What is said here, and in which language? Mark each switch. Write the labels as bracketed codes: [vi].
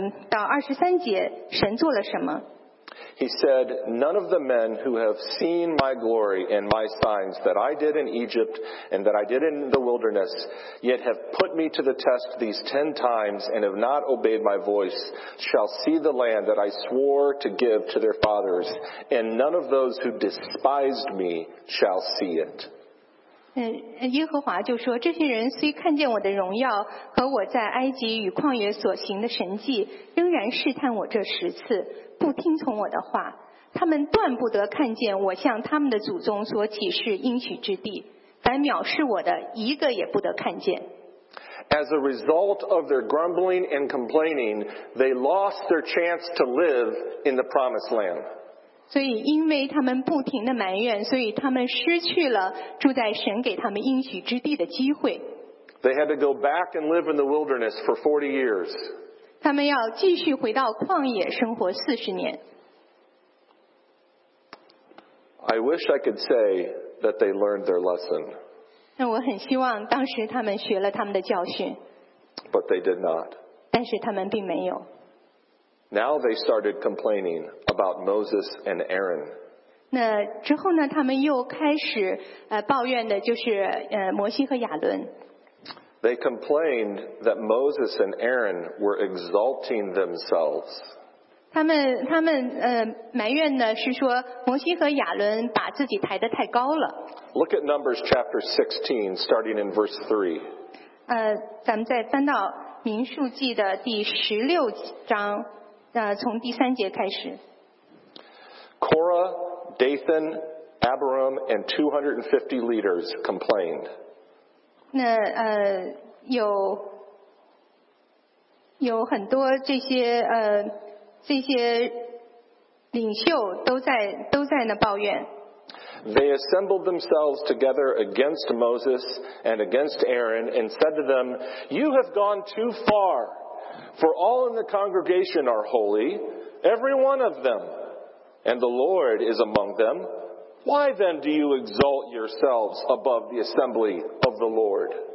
[zh] 到二十三节，神做了什么？ [en] He said, None of the men who have seen my glory and my signs that I did in Egypt and that I did in the wilderness, yet have put me to the test these 10 times and have not obeyed my voice, shall see the land that I swore to give to their fathers, and none of those who despised me shall see it. [zh] 耶和华就说，这些人虽看见我的荣耀和我在埃及与旷野所行的神迹，仍然试探我这十次，不听从我的话。他们断不得看见我向他们的祖宗所启示应许之地，凡藐视我的，一个也不得看见。 [en] As a result of their grumbling and complaining, they lost their chance to live in the promised land. [zh] 所以因为他们不停地埋怨，所以他们失去了住在神给他们应许之地的机会。 [en] They had to go back and live in the wilderness for 40 years. [zh] 他们要继续回到旷野生活40年。 [en] I wish I could say that they learned their lesson. [zh] 那我很希望当时他们学了他们的教训。 [en] But they did not. [zh] 但是他们并没有。 [en] Now they started complaining about Moses and Aaron. [zh] 那之后呢，他们又开始抱怨的就是摩西和亚伦。 [en] They complained that Moses and Aaron were exalting themselves. [zh] 他们埋怨呢是说摩西和亚伦把自己抬得太高了。 [en] Look at Numbers chapter 16, starting in verse 3. [zh] 咱们再翻到民数记的第十六章。从第三节开始。 [en] Korah, Dathan, Abiram, and 250 leaders complained. [zh] 那有很多这些领袖都在那抱怨。 [en] They assembled themselves together against Moses and against Aaron and said to them, "You have gone too far, for all in the congregation are holy, every one of them, and the Lord is among them. Why then do you exalt yourselves above the assembly of the Lord?"